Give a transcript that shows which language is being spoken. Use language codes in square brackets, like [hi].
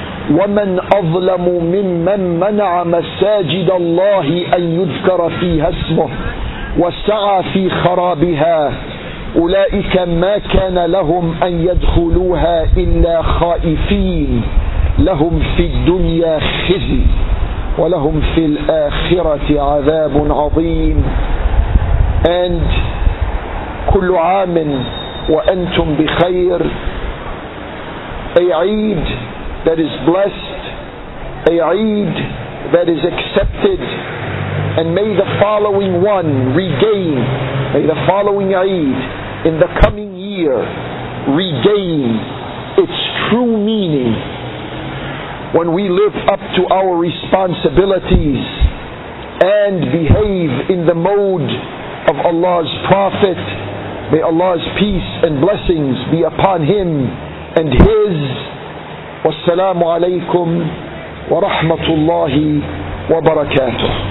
[ar] ومن أظلم ممن منع مساجد الله أن يذكر فيها اسمه وسعى في خرابها، أولئك ما كان لهم أن يدخلوها إلا خائفين، لهم في الدنيا خزي ولهم في الآخرة عذاب عظيم. And كل عام وأنتم بخير. [en] عيد that is blessed, a Eid that is accepted, and may the following one regain, may the following Eid in the coming year regain its true meaning when we live up to our responsibilities and behave in the mode of Allah's Prophet. May Allah's peace and blessings be upon him and his. [ar] والسلام عليكم ورحمة الله وبركاته.